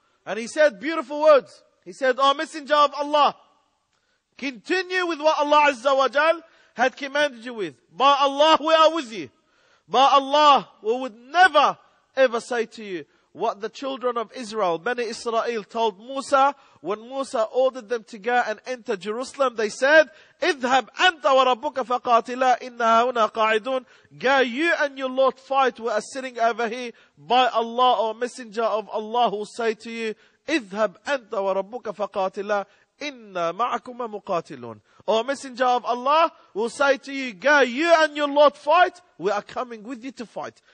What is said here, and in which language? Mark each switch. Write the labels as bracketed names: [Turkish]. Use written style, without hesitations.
[English] And he said beautiful words. He said, oh Messenger of Allah, continue with what Allah azza wa jal had commanded you with. By Allah, we are with you. By Allah, we would never ever say to you what the children of Israel, Bani Israel, told Musa when Musa ordered them to go and enter Jerusalem. [Arabic] They said, اذهب أنت وربك فقاتلا إنها هنا قاعدون. [English] Go you and your Lord fight, we are sitting over here. By Allah, or Messenger of Allah, who say to you, [Arabic] اذهب أنت وربك فقاتلا إِنَّ مَعَكُمَ مُقَاتِلُونَ. [English] O Messenger of Allah, will say to you, go you and your Lord fight, we are coming with you to fight.